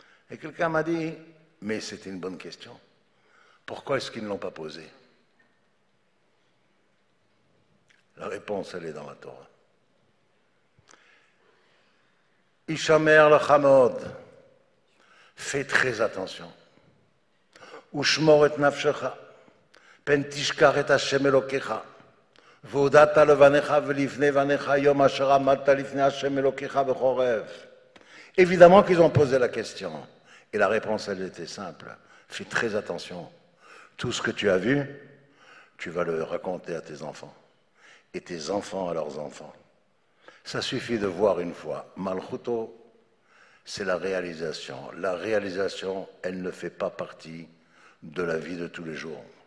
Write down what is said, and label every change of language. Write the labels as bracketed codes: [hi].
[fr] Et quelqu'un m'a dit, mais c'était une bonne question, pourquoi est-ce qu'ils ne l'ont pas posée? La réponse, elle est dans la Torah. [he] Ishamer le Chamod, [fr] fais très attention. [he] ושמור את נפשך, פן תשכח את השם אלוקיך, והודעת לבניך ולפני בניך היום אשר עמדת לפני השם אלוקיך בחורב. [fr] Évidemment qu'ils ont posé la question. Et la réponse, elle était simple. Fais très attention. Tout ce que tu as vu, tu vas le raconter à tes enfants. Et tes enfants à leurs enfants. Ça suffit de voir une fois. Malchuto, c'est la réalisation. La réalisation, elle ne fait pas partie de la vie de tous les jours.